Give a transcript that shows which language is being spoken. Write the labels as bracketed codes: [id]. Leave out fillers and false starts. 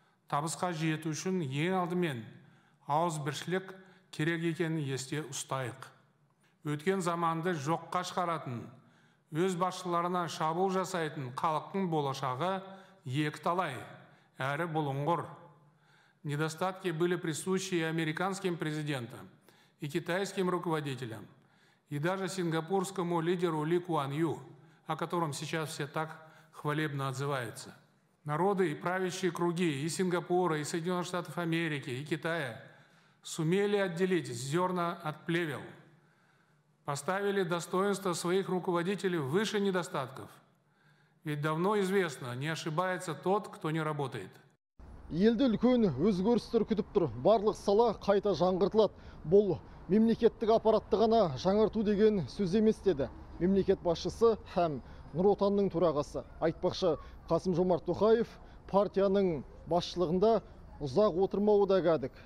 [kk] Табысқа жету үшін ең алдымен ауыз біршілік керек екенін есте ұстайық. Өткен заманды жоққа шығаратын, өз басшыларына шабуыл жасайтын халықтың болашағы екі талай, әрі бұлыңғыр. [ru] Недостатки были присущи американским президентам и китайским руководителям, и даже сингапурскому лидеру Ли Куан Ю, о котором сейчас все так хвалебно отзываются. Народы и правящие круги и Сингапура, и Соединенных Штатов Америки, и Китая сумели отделить зерна от плевел, поставили достоинство своих руководителей выше недостатков. Ведь давно известно, не ошибается тот, кто не работает. [kk] Елді үлкен өзгерістер күтіп тұр. Барлық сала қайта жаңғыртылады. Бұл мемлекеттік аппаратты ғана жаңғырту деген сөз емес, деді мемлекет басшысы һәм Нұр Отанның төрағасы. Айтпақшы, Қасым Жомарт Тоқаев партияның басшылығында ұзақ отырмауы да кәдік.